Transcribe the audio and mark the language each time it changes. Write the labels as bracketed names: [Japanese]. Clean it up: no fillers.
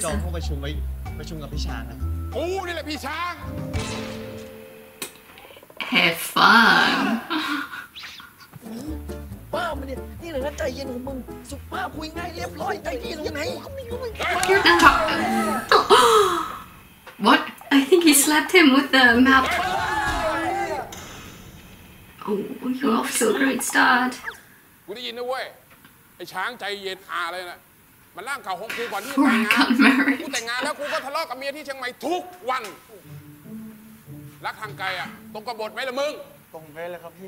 [Thai] so จองห้องประชุมไว้ประชุมกับพี่ช้างนะ กูนี่แหละพี่ช้าง [English] Have fun [Thai] ใจเย็นของมึงสุภาพคุยง่ายเรียบร้อยได้ที่ตรงไหน ก็ไม่รู้เหมือนกันแค่ตา [English] What? I think he slapped him with the map. Oh, you're off to a great start. [Thai] กูได้ยินนะเว้ยไอ้ช้างใจเย็นอะไรน่ะมันล่างข่าวของกูก่อนที่จะแต่งงาน กูแต่งงานแล้วกูก็ทะเลาะกับเมียที่เชียงใหม่ทุกวันรักทางไกลอ่ะตรงกับบทไหมล่ะมึง ตรงเป๊ะเลยครับพี